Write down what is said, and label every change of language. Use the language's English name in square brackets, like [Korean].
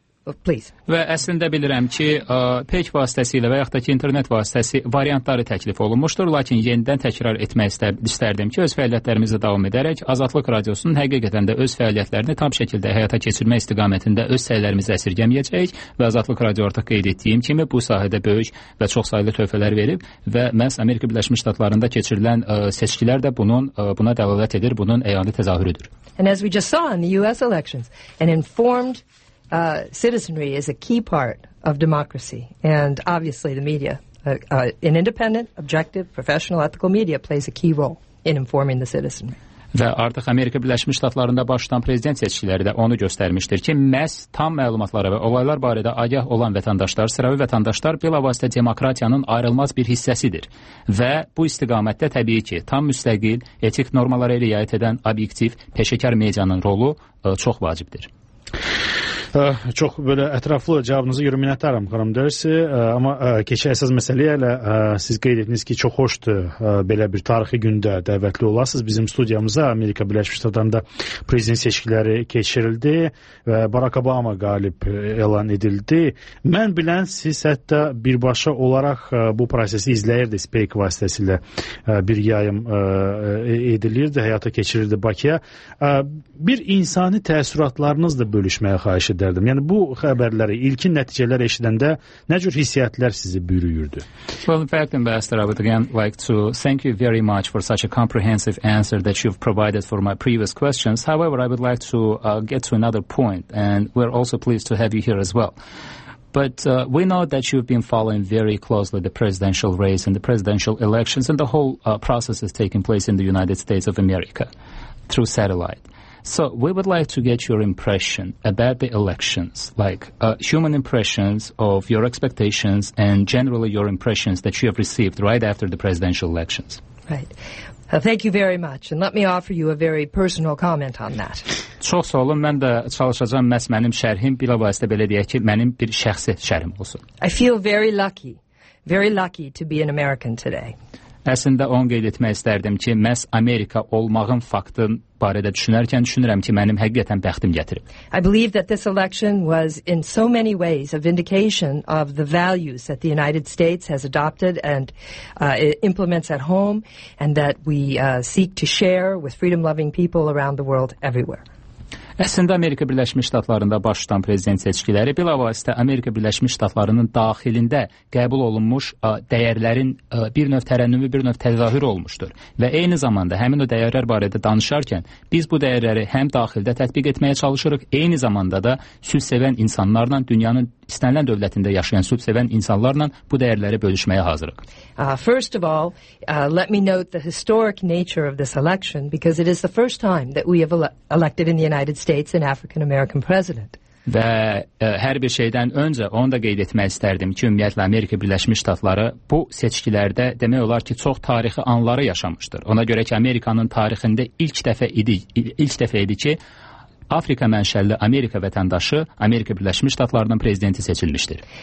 [Azerbaijani] Və əslində bilirəm ki, PEC vasitəsilə və yaxud da ki, internet vasitəsi variantları təklif olunmuşdur, lakin yenidən təkrar etmək istərdim ki, öz fəaliyyətlərimizə davam edərək, Azadlıq Radiosunun həqiqətən də öz fəaliyyətlərini tam şəkildə həyata keçirmək istiqamətində öz səylərimizi əsirgəməyəcəyik və Azadlıq Radio artıq qeyd etdiyim kimi bu sahədə böyük və çoxsaylı töhfələr verib və məhz Amerika Birləşmiş Ştatlarında keçirilən seçkilər də buna dəlalət edir, bunun əyani təzahürüdür. [English] And as we just saw in the US elections, an informed citizenry is a key part of democracy, and obviously the media, an independent, objective, professional, ethical media plays a key role in informing the citizenry. [Azerbaijani] Və artıq Amerika Birləşmiş Ştatlarında baş tutan prezident seçkiləri də onu göstərmişdir ki, məhz tam məlumatlara və olaylar barədə agah olan vətəndaşlar, sıravi vətəndaşlar bilavasitə demokratiyanın ayrılmaz bir hissəsidir. Və bu istiqamətdə təbii ki, tam müstəqil, etik normalara riayət edən obyektiv, peşəkar medianın rolu çox vacibdir. Çox belə ətraflı cavabınızı görə minnətdaram, xanım Dersi. Amma keçək əsas məsələyə hələ siz qeyd etdiniz ki, çox xoşdur belə bir tarixi gündə dəvətli olasınız. Bizim studiyamıza Amerika Birləşmiş Ştatlarında prezident seçkiləri keçirildi və Barack Obama qalib elan edildi. Mən bilən siz hətta birbaşa olaraq bu prosesi izləyirdiniz, PEC vasitəsilə bir yayım edilirdi, həyata keçirirdi Bakıya. Bir insani təəssüratlarınız da bölüşməyə xahiş edərdim. Yəni, bu xəbərləri, ilkin nəticələr eşidəndə nə cür hissiyyətlər sizi bürüyürdü? [English] Well, in fact, Ambassador, I would again like to thank you very much for such a comprehensive answer that you've provided for my previous questions. However, I would like to get to another point, and we're also pleased to have you here as well. But we know that you've been following very closely the presidential race and the presidential elections, and the whole process is taking place in the United States of America through satellite. So we would like to get your impression about the elections, like human impressions of your expectations and generally your impressions that you have received right after the presidential elections. Right. Thank you very much. And let me offer you a very personal comment on that. [Azerbaijani] Çox sağ olun. Mən də çalışacağım. Məhz mənim şərhim bilavasitə belə deyək ki, mənim bir şəxsi şərhim olsun. [English] I feel very lucky to be an American today. [Azerbaijani] Əslində, onu qeyd etmək istərdim ki, məhz Amerika olmağın faktı barədə düşünərkən düşünürəm ki, mənim həqiqətən bəxtim gətirib. [English] I believe that this election was in so many ways a vindication of the values that the United States has adopted and implements at home and that we seek to share with freedom-loving people around the world everywhere. [Azerbaijani] Əslində, Amerika Birləşmiş Ştatlarında baş tutan prezident seçkiləri bilavasitə Amerika Birləşmiş Ştatlarının daxilində qəbul olunmuş dəyərlərin bir növ tərənnümü, bir növ təzahürü olmuşdur. Və eyni zamanda həmin o dəyərlər barədə danışarkən biz bu dəyərləri həm daxildə tətbiq etməyə çalışırıq, eyni zamanda da sülh sevən insanlarla, dünyanın istənilən dövlətində yaşayan sülh sevən insanlarla bu dəyərləri bölüşməyə hazırıq. [English] First of all, let me note the historic nature of this election because it is the first time that we have elected in the United States an African American president. [Azerbaijani] Və hər bir şeydən öncə onu da qeyd etmək istərdim ki, ümumiyyətlə Amerika Birləşmiş Ştatları bu seçkilərdə demək olar ki, çox tarixi anları yaşamışdır. Ona görə ki, Amerikanın tarixində ilk dəfə idi ki, Afrika mənşəlli Amerika vətəndaşı Amerika Birləşmiş Ştatlarının prezidenti seçilmişdir.